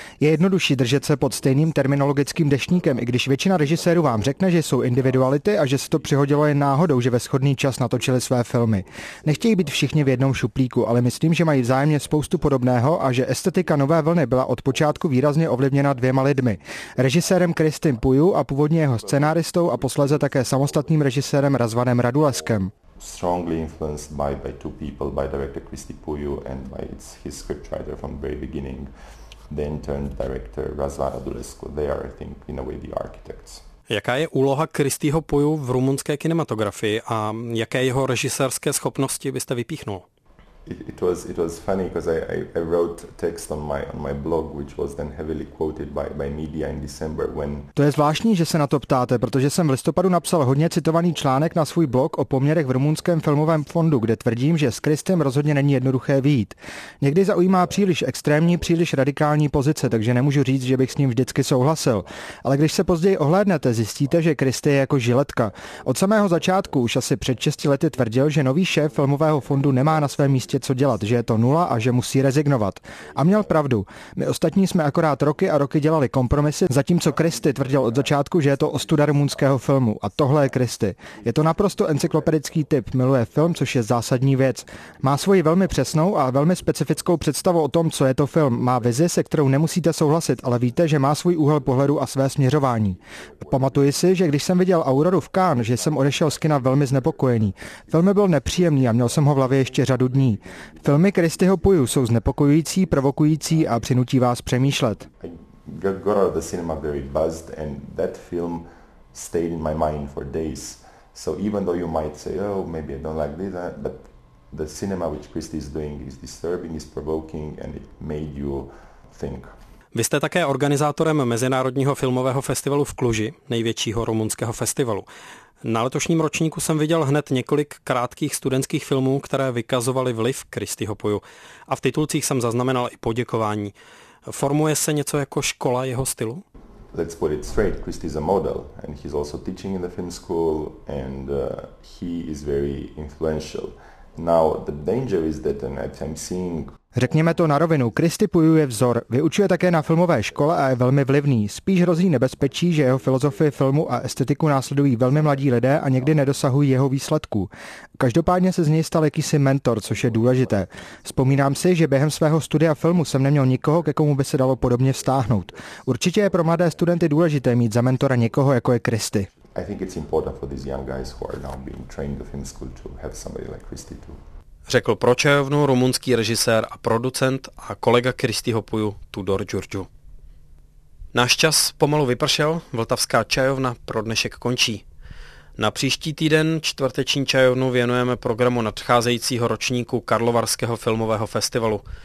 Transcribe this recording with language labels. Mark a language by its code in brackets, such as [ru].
[cs] Je jednodušší držet se pod stejným terminologickým deštníkem, i když většina režisérů vám řekne, že jsou individuality a že se to přihodilo jen náhodou, že ve shodný čas natočili své filmy. Nechtějí být všichni v jednom šuplíku, ale myslím, že mají vzájemně spoustu podobného a že estetika nové vlny byla od počátku výrazně ovlivněna dvěma lidmi. Režisérem Kristým Puju a původně jeho scenáristou a posléze také samostatným režisérem Razvanem Raduleskem. [en] Strongly influenced by two people, by director Kristý Puju and by his scriptwriter from the very beginning, then turned director Razvan Radulescu. They are, I think, in a way the architects. [cs] Jaká je úloha Kristýho Puju v rumunské kinematografii a jaké jeho režisérské schopnosti byste vypíchnul? [en] It was funny because I wrote text on my blog, which was then heavily quoted by media in December when. [cs] To je zvláštní, že se na to ptáte, protože jsem v listopadu napsal hodně citovaný článek na svůj blog o poměrech v rumunském filmovém fondu, kde tvrdím, že s Kristem rozhodně není jednoduché vyjít. Někdy zaujímá příliš extrémní, příliš radikální pozice, takže nemůžu říct, že bych s ním vždycky souhlasil. Ale když se později ohlédnete, zjistíte, že Kristý je jako žiletka. Od samého začátku už asi před 6 lety tvrdil, že nový šéf filmového fondu nemá na svém místě. Co dělat, že je to nula a že musí rezignovat. A měl pravdu. My ostatní jsme akorát roky a roky dělali kompromisy, zatímco Kristý tvrdil od začátku, že je to ostuda rumunského filmu. A tohle je Kristý. Je to naprosto encyklopedický typ, miluje film, což je zásadní věc. Má svoji velmi přesnou a velmi specifickou představu o tom, co je to film. Má vizi, se kterou nemusíte souhlasit, ale víte, že má svůj úhel pohledu a své směřování. Pamatuji si, že když jsem viděl Auroru v Cannes, že jsem odešel z kina velmi znepokojený. Film byl nepříjemný a měl jsem ho v hlavě ještě řadu dní. Filmy Kristýho Puju jsou znepokojující, provokující a přinutí vás přemýšlet. [en] Got out of the cinema very buzzed and that film stayed in my mind for days. So even though you might say, oh, maybe I don't like this, but the cinema which Kristý is doing is disturbing, is provoking and it made you think. [cs] Vy jste také organizátorem Mezinárodního filmového festivalu v Kluži, největšího rumunského festivalu. Na letošním ročníku jsem viděl hned několik krátkých studentských filmů, které vykazovaly vliv Kristýho Puju. A v titulcích jsem zaznamenal i poděkování. Formuje se něco jako škola jeho stylu? [en] let's put it straight, Christy is a model and he's also teaching in the film school and he is very influential. Now the danger is that I'm seeing... [cs] Řekněme to na rovinu, Christy Puju je vzor, vyučuje také na filmové škole a je velmi vlivný. Spíš hrozí nebezpečí, že jeho filozofii filmu a estetiku následují velmi mladí lidé a někdy nedosahují jeho výsledků. Každopádně se z něj stal jakýsi mentor, což je důležité. Vzpomínám si, že během svého studia filmu jsem neměl nikoho, ke komu by se dalo podobně vztáhnout. Určitě je pro mladé studenty důležité mít za mentora někoho, jako je Christy. [en] I think it's important for these young guys who are now being trained in film school to have somebody like Christy too. [cs] Řekl pro Čajovnu rumunský režisér a producent a kolega Christyho Puju Tudor Giurgiu. Náš čas pomalu vypršel, Vltavská Čajovna pro dnešek končí. Na příští týden čtvrteční Čajovnu věnujeme programu nadcházejícího ročníku Karlovarského filmového festivalu.